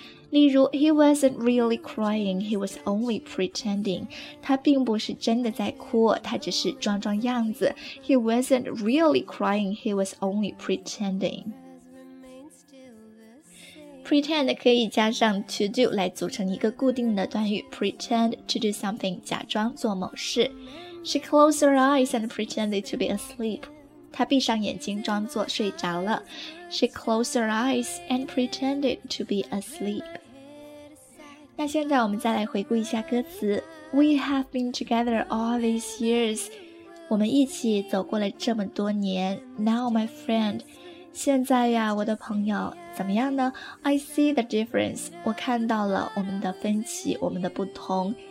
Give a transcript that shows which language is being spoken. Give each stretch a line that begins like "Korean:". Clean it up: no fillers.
Chinese: 例如
English: He wasn't really crying, he was only pretending.
Chinese: 他并不是真的在哭，他只是装装样子。
English: He wasn't really crying, he was only pretending.
Chinese: Pretend 可以加上 to do 来组成一个固定的短语，
English: pretend to do something,
Chinese: 假装做某事。
English: She closed her eyes and pretended to be asleep.
Chinese: 她闭上眼睛装作睡着了。
English: She closed her eyes and pretended to be asleep.
Chinese: 那现在我们再来回顾一下歌词。
English: We have been together all these years.
Chinese: 我们一起走过了这么多年。
English: Now my friend.
Chinese: 现在呀，我的朋友，怎么样呢？
English: I see the difference.
Chinese: 我看到了我们的分歧，我们的不同。